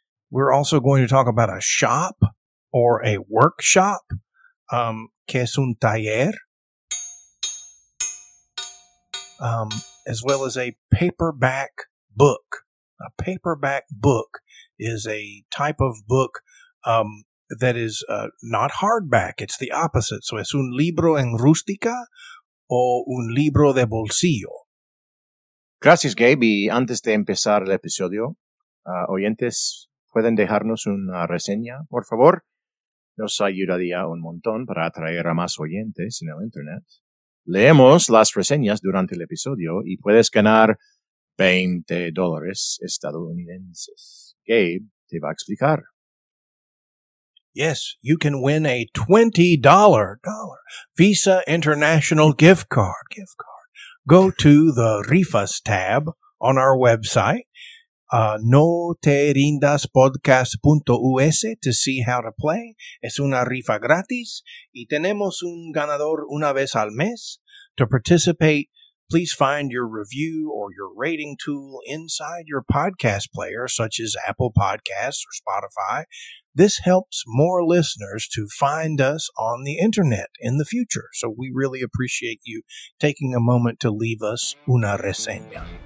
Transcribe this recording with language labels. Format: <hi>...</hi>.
<en>We're also going to talk about a shop or a workshop,</en> <es>que es un taller.</es> <en>As well as a paperback book. A paperback book is a type of book that is not hardback. It's the opposite.</en> <es>So, es un libro en rústica o un libro de bolsillo. Gracias, Gabe. Y antes de empezar el episodio, oyentes, pueden dejarnos una reseña, por favor. Nos ayudaría un montón para atraer a más oyentes en el internet. Leemos las reseñas durante el episodio y puedes ganar $20 estadounidenses. Gabe te va a explicar.</es> <en>Yes, you can win a $20 Visa International gift card go to the Rifas tab on our website, noterindaspodcast.us, to see how to play.</en> <es>Es una rifa gratis, y tenemos un ganador una vez al mes.</es> <en>To participate, please find your review or your rating tool inside your podcast player, such as Apple Podcasts or Spotify. This helps more listeners to find us on the internet in the future. So we really appreciate you taking a moment to leave us</en> <es>una reseña.</es>